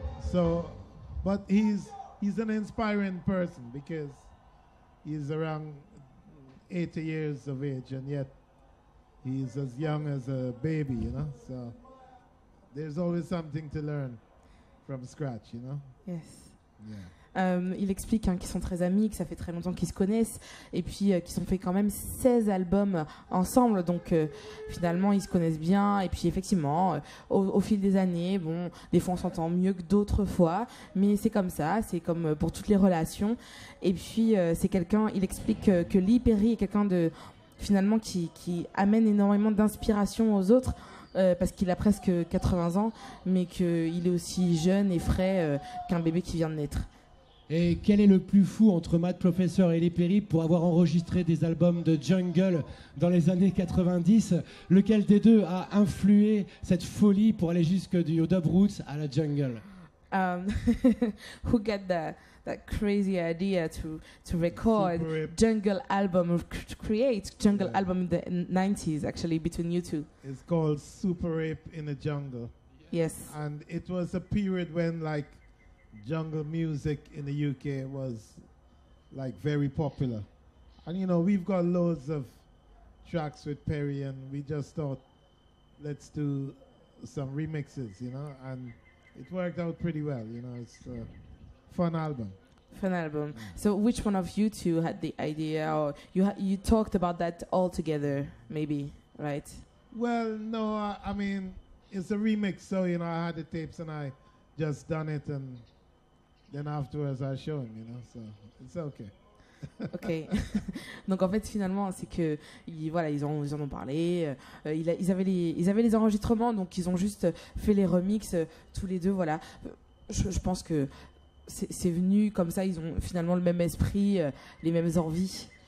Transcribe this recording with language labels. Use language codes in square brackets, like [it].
[en] So, but he's an inspiring person because he's around 80 years of age and yet he's as young as a baby, you know? So. There's always something to learn from scratch, you know? Yes. Yeah. [fr] Il explique qu'ils sont très amis, que ça fait très longtemps qu'ils se connaissent et puis qu'ils ont fait quand même 16 albums ensemble, donc finalement ils se connaissent bien et puis effectivement au fil des années, bon, des fois on s'entend mieux que d'autres fois, mais c'est comme ça, c'est comme pour toutes les relations. Et puis c'est quelqu'un, il explique que Lee Perry est quelqu'un de finalement qui amène énormément d'inspiration aux autres. Parce qu'il a presque 80 ans, mais qu'il est aussi jeune et frais qu'un bébé qui vient de naître. Et quel est le plus fou entre Matt Professor et Lee Perry pour avoir enregistré des albums de jungle dans les années 90? Lequel des deux a influé cette folie pour aller jusque du dub roots à la jungle? [en] who got that crazy idea to record jungle album, create jungle album in the 90s, actually, between you two? It's called Super Ape in the Jungle. Yes. And it was a period when, like, jungle music in the UK was, like, very popular. And, you know, we've got loads of tracks with Perry, and we just thought, let's do some remixes, you know? And it worked out pretty well, you know? It's a fun album. An album. So which one of you two had the idea, or you talked about that all together, maybe, right? Well, no, I mean, it's a remix, so, you know, I had the tapes and I just done it, and then afterwards I show him, you know, so it's okay. Ok. [fr] Donc en fait, finalement, c'est que voilà, ils en ont parlé. Ils avaient les enregistrements, donc ils ont juste fait les remixes tous les deux. Voilà. Je pense que c'est venu comme ça. Ils ont finalement le même esprit, les mêmes envies.